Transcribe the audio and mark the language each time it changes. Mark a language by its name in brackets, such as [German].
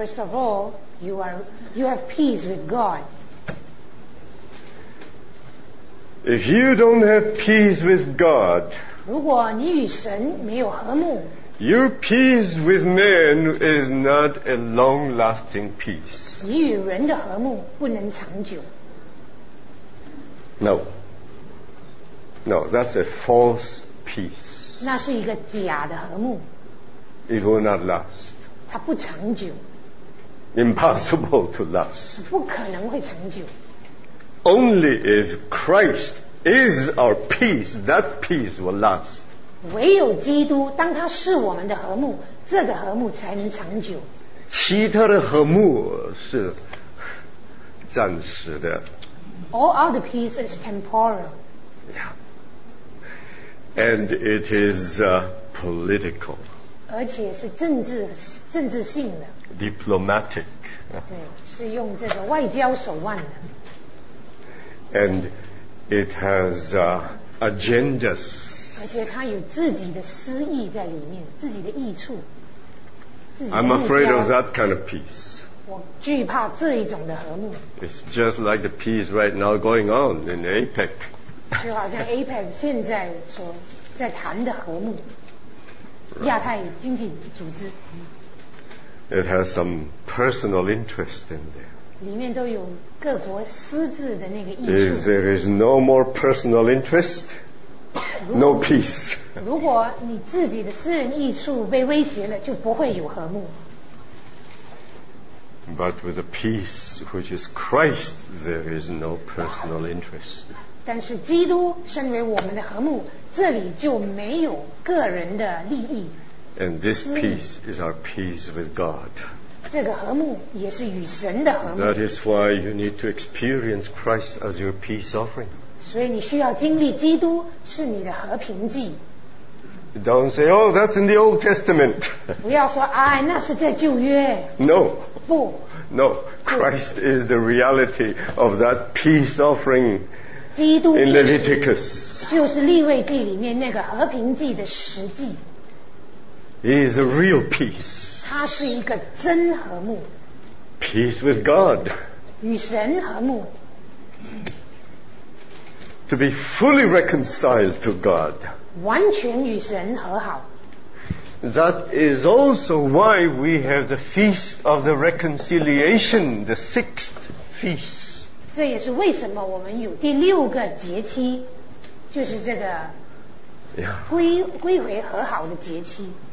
[English] First of all, you have peace with God. If you don't have peace with God, [Chinese] 如果你与神没有和睦， [English] your peace with man is not a long-lasting peace. [Chinese] 你与人的和睦不能长久。 [English] No. No, that's a false peace. [Chinese] 那是一个假的和睦。 [English] It will not last. [Chinese] 它不长久。 [English] Impossible to last. [Chinese] 不可能会长久。 [English] Only if Christ is our peace, that peace will last. [Chinese] 唯有基督，当他是我们的和睦，这个和睦才能长久。其他的和睦是暂时的。 [English] All other peace is temporal. Yeah. And it is political. [Chinese] 而且是政治性的 [English] diplomatic [Chinese] 对是用这个外交手腕的 [English] and it has agendas [Chinese] 而且它有自己的私意在里面自己的益处的 [English] I'm afraid of that kind of peace [Chinese] 我惧怕这一种的和睦 [English] it's just like the peace right now going on in APEC [Chinese] 就好像 APEC 现在所在谈的和睦亚太经济组织 [English] It has some personal interest in there [Chinese] 里面都有各国私自的那个益处 [English] If there is no more personal interest No peace [Chinese] 如果你自己的私人益处被威胁了就不会有和睦 [English] But with the peace which is Christ There is no personal interest [Chinese] 但是基督身为我们的和睦这里就没有个人的利益。 [English] And this peace is our peace with God. [Chinese] 这个和睦也是与神的和睦。 [English] That is why you need to experience Christ as your peace offering. [Chinese] 所以你需要经历基督是你的和平祭。 [English] Don't say, oh, that's in the Old Testament. [Chinese] 不要说，哎，那是在旧约。 [English] No. [Chinese] 不。 [English] No. Christ is the reality of that peace offering. [Chinese] 基督。 [English] In Leviticus. [Chinese] 就是利未记里面那个和平记的实际 [English] He is a real peace. [Chinese] 他是一个真和睦。 [English] Peace with God. [Chinese] 与神和睦。 [English] To be fully reconciled to God. [Chinese] 完全与神和好。 [English] That is also why we have the Feast of the Reconciliation, the sixth feast. [Chinese] 这也是为什么我们有第六个节期，就是这个归回和好的节期。